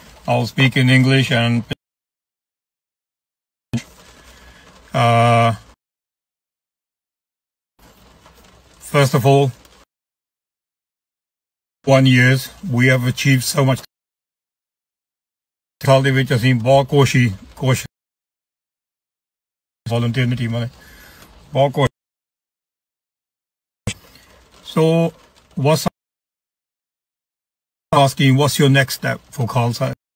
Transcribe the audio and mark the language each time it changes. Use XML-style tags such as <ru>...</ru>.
<en>I'll speak in English and first of all, 1 year we have achieved so much.</en> <pa>ਸਾਲ ਦੇ ਵਿੱਚ ਅਸੀਂ ਬਹੁਤ ਕੋਸ਼ਿਸ਼ ਵਾਲੰਟੀਅਰ ਦੀ ਟੀਮਾਂ ਨੇ ਬਹੁਤ ਕੋਸ਼ਿਸ਼।</pa> <en>So what's your next step for Khalsa?</en>